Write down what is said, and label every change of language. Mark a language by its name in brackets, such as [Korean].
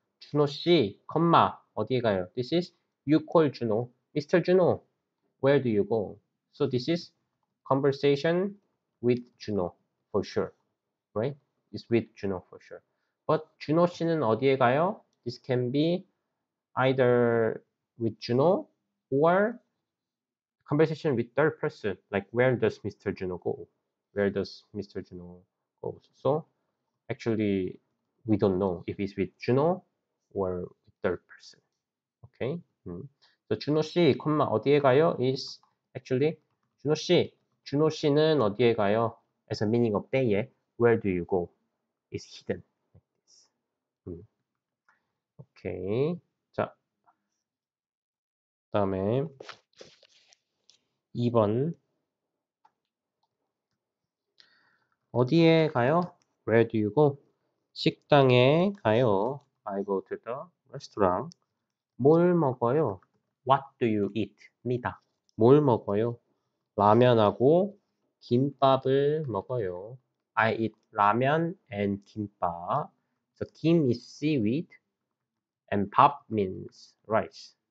[Korean] 준호 씨, 콤마, 어디에 가요? [English] This is you call Juno. Mr. Juno. Where do you go? So this is conversation with Juno for sure, right? It's with Juno for sure. But Juno [Korean] 씨는 어디에 가요? [English] This can be either with Juno or conversation with third person. Like where does Mr. Juno go? Where does Mr. Juno go? So actually, we don't know if it's with Juno or with third person. Okay? [Korean] So, 준호 씨, 콤마, 어디에 가요? [English] is actually [Korean] 준호 씨, 준호 씨는 어디에 가요? [English] as a meaning of [Korean] 때에, [English] where do you go? is hidden. [Korean] 오케이. 다음에 2번 어디에 가요? [English] where do you go? [Korean] 식당에 가요. [English] I go to the restaurant. [Korean] 뭘 먹어요? [English] What do you eat? [Korean] 입니다. 뭘 먹어요? 라면하고 김밥을 먹어요. [English] I eat 라면 and 김밥. So, 김 is seaweed and 밥 means rice.